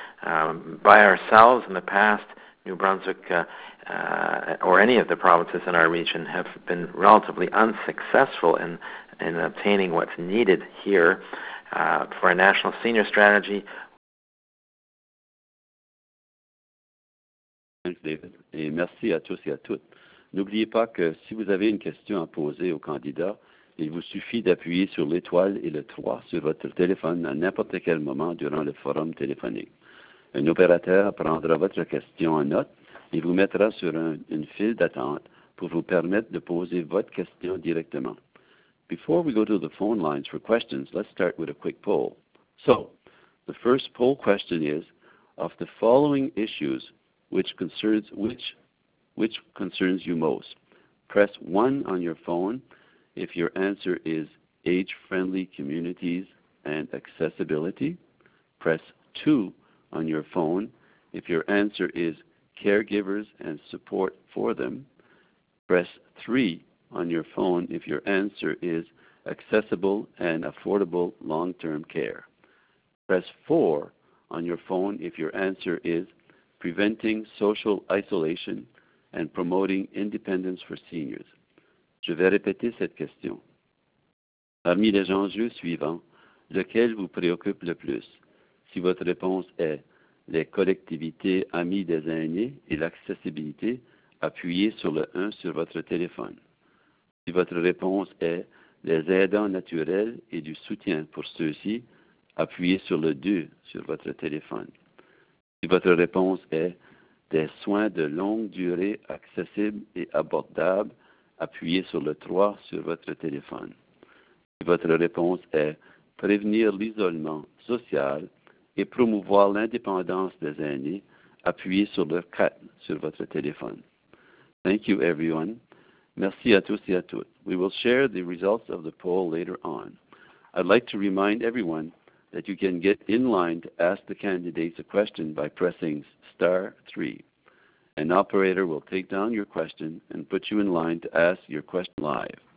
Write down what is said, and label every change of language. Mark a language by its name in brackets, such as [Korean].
[English] By ourselves in the past, New Brunswick or any of the provinces in our region have been relatively unsuccessful in obtaining what's needed here for a national senior strategy. Thanks, David, [French] et merci à tous et à toutes. N'oubliez pas que si vous avez une question à poser au candidat, il vous suffit d'appuyer sur l'étoile et le 3 sur votre téléphone à n'importe quel moment durant le forum téléphonique. Un opérateur prendra votre question en note et vous mettra sur une file d'attente pour vous permettre de poser votre question directement. [English] Before we go to the phone lines for questions, let's start with a quick poll. So, the first poll question is, of the following issues, which concerns you most? Press 1 on your phone if your answer is age-friendly communities and accessibility. Press 2 on your phone if your answer is caregivers and support for them. Press 3 on your phone if your answer is accessible and affordable long-term care. Press 4 on your phone if your answer is preventing social isolation and promoting independence for seniors. [French] Je vais répéter cette question. Parmi les enjeux suivants, lequel vous préoccupe le plus? Si votre réponse est les collectivités amies des aînés et l'accessibilité, appuyez sur le 1 sur votre téléphone. Si votre réponse est les aidants naturels et du soutien pour ceux-ci, appuyez sur le 2 sur votre téléphone. Si votre réponse est des soins de longue durée accessibles et abordables, appuyez sur le 3 sur votre téléphone. Si votre réponse est prévenir l'isolement social et promouvoir l'indépendance des aînés, appuyez sur le 4 sur votre téléphone. [English] Thank you, everyone. [French] Merci à tous et à toutes. [English] We will share the results of the poll later on. I'd like to remind everyone that you can get in line to ask the candidates a question by pressing star 3. An operator will take down your question and put you in line to ask your question live.